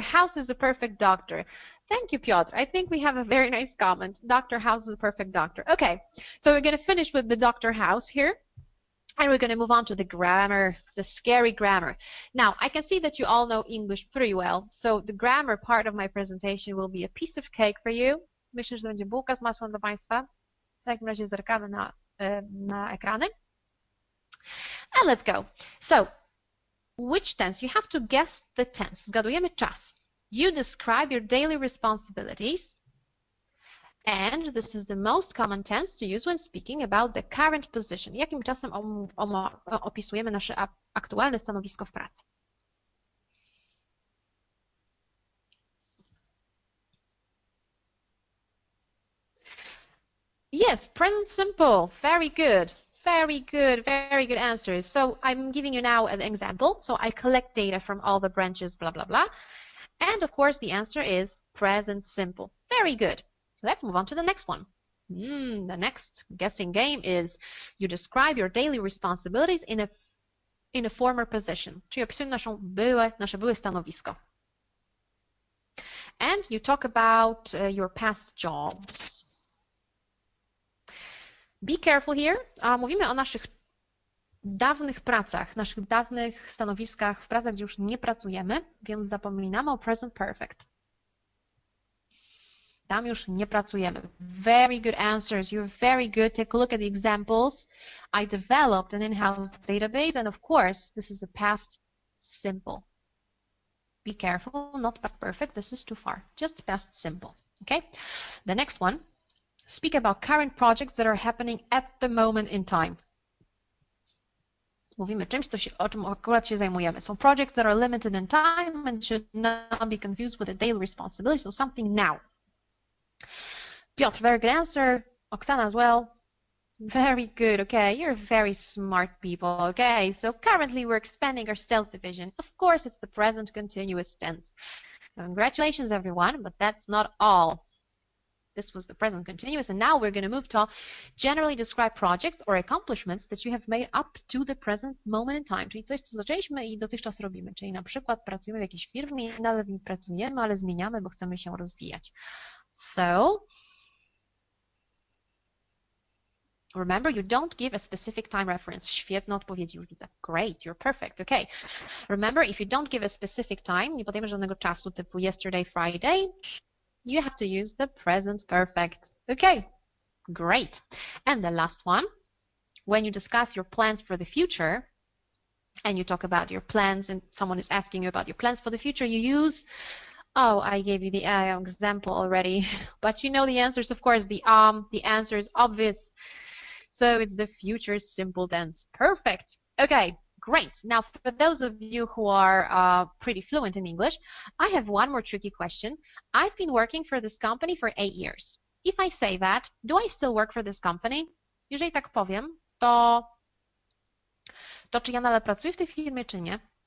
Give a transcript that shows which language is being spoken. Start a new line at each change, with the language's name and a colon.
English: House is a perfect doctor. Thank you, Piotr. I think we have a very nice comment. Dr. House is a perfect doctor. Okay, so we're gonna finish with the Dr. House here. And we're going to move on to the grammar, the scary grammar. Now, I can see that you all know English pretty well, so the grammar part of my presentation will be a piece of cake for you.
Polish: Myślę, że to będzie bułka z masłem dla Państwa. W takim razie zerkamy na ekrany.
English: And let's go. So, which tense? You have to guess the tense.
Polish: Zgadujemy czas.
English: You describe your daily responsibilities. And this is the most common tense to use when speaking about the current position.
Polish: Jakim czasem opisujemy nasze aktualne stanowisko w pracy?
English: Yes, present simple. Very good. Very good. Very good answers. So I'm giving you now an example. So I collect data from all the branches, blah, blah, blah. And of course, the answer is present simple. Very good. Let's move on to the next one. The next guessing game is you describe your daily responsibilities in a former position.
Polish: Czyli opisujemy nasze były stanowisko.
English: And you talk about your past jobs. Be careful here.
Polish: Mówimy o naszych dawnych pracach, naszych dawnych stanowiskach w pracach, gdzie już nie pracujemy, więc zapominamy o present perfect. Tam już nie pracujemy.
English: Very good answers. You're very good. Take a look at the examples. I developed an in-house database, and of course, this is a past simple. Be careful, not past perfect. This is too far. Just past simple. Okay? The next one. Speak about current projects that are happening at the moment in time.
Polish: Mówimy czymś, o czym akurat się zajmujemy.
English: So projects that are limited in time and should not be confused with a daily responsibility. So something now. Piotr, very good answer. Oksana as well. Very good, okay. You're very smart people, okay. So currently we're expanding our sales division. Of course, it's the present continuous tense. Congratulations, everyone, but that's not all. This was the present continuous, and now we're going to move to generally describe projects or accomplishments that you have made up to the present moment in time.
Polish: Czyli coś, co zaczęliśmy i dotychczas robimy. Czyli na przykład pracujemy w jakiejś firmie i nadal w niej pracujemy, ale zmieniamy, bo chcemy się rozwijać.
English: So, remember, you don't give a specific time reference.
Polish: Świetna odpowiedź, już widzę.
English: Great, you're perfect. Okay. Remember, if you don't give a specific time,
Polish: nie podajemy żadnego czasu typu
English: yesterday, Friday, you have to use the present perfect. Okay, great. And the last one, when you discuss your plans for the future and you talk about your plans and someone is asking you about your plans for the future, you use, oh, I gave you the example already, but you know the answers, of course, the answer is obvious. So it's the future simple tense. Perfect. Okay, great. Now, for those of you who are pretty fluent in English, I have one more tricky question. I've been working for this company for 8 years. If I say that, do I still work for this company?
Polish: Jeżeli tak powiem, to czy ja nadal pracuję w tej firmie, czy nie?